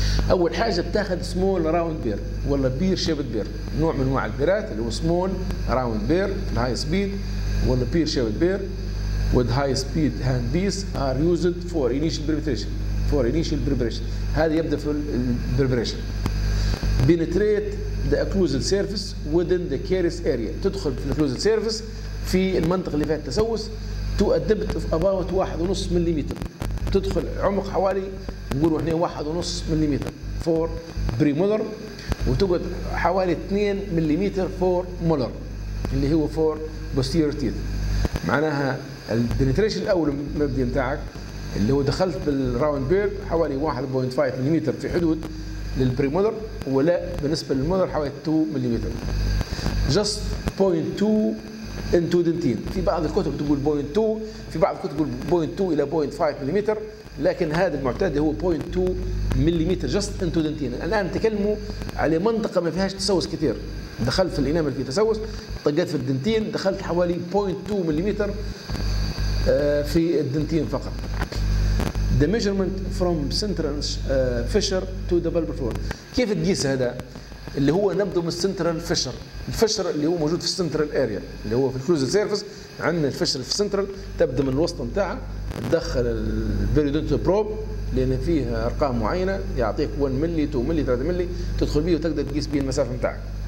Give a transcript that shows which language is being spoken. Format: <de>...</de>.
<ar>اول حاجه بتاخذ</ar> <en>small round bur ولا pear shaped bur,</en> <ar>نوع من انواع البيرات اللي هو</ar> <en>Small round bur الهاي speed ولا pear shaped bur with high speed hand piece are used for initial preparation. For initial preparation.</en> <ar>هذا يبدأ في preparation.</ar> <en>Penetrate the occluded surface within the carous area.</en> <ar>تدخل في</ar> <en>occluded surface</en> <ar>في المنطقة اللي فيها التسوس</ar> <en>to a depth of about 1.5 millimeter.</en> <ar>تدخل عمق حوالي نقول احنا 1.5</ar> <en>millimeter for premolar</en> <ar>وتقعد حوالي</ar> <en>2 millimeter for molar</en> <ar>اللي هو</ar> <en>for posterior teeth.</en> <ar>معناها البنتريشن الاول المبدئي بتاعك اللي هو دخلت بالراوند بير حوالي 1.5 ملم في حدود للبريمولر ولا بالنسبه للمولر حوالي 2 ملم</ar> <en>Just 0.2 into dentine.</en> <ar>في بعض الكتب تقول 0.2 في بعض الكتب تقول 0.2 الى 0.5 ملم لكن هذا المعتاد هو 0.2 ملم</ar> <en>Just into dentine.</en> <ar>الان نتكلموا على منطقه ما فيهاش تسوس كثير، دخلت في الانامل في تسوس طقيت في الدنتين دخلت حوالي 0.2 ملم في الدنتين فقط.</ar> <en>The measurement from central fissure to the pulpar floor.</en> <ar>كيف تقيس هذا؟ اللي هو نبدأ من</ar> <en>central fissure.</en> <ar>الفشر اللي هو موجود في</ar> <en>central area</en> <ar>اللي هو في الكلوزد سيرفس عندنا الفشر في central تبدأ من الوسط بتاعه تدخل البيريودونتال بروب لأن فيه أرقام معينة يعطيك 1 ملي 2 ملي 3 ملي تدخل بيه وتقدر تقيس بيه المسافة بتاعك.</ar>